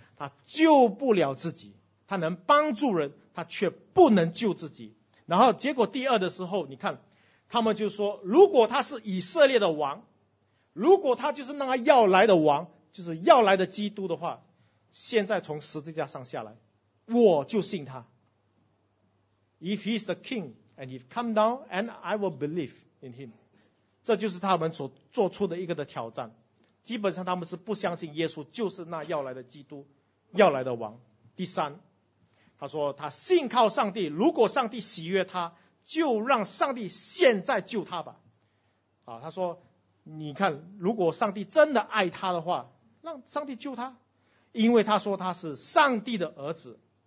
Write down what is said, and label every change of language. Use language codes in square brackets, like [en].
[zh] 他救不了自己，他能帮助人，他却不能救自己。然后结果第二的时候，你看他们就说，如果他是以色列的王，如果他就是那个要来的王，就是要来的基督的话，现在从十字架上下来，我就信他。 [en] If he is the king and he come down and I will believe in him。 [zh] 这就是他们所做出的一个的挑战。基本上他们是不相信耶稣就是那要来的基督，要来的王。第三，他说他信靠上帝，如果上帝喜悦他，就让上帝现在救他吧。啊，他说你看，如果上帝真的爱他的话，让上帝救他，因为他说他是上帝的儿子。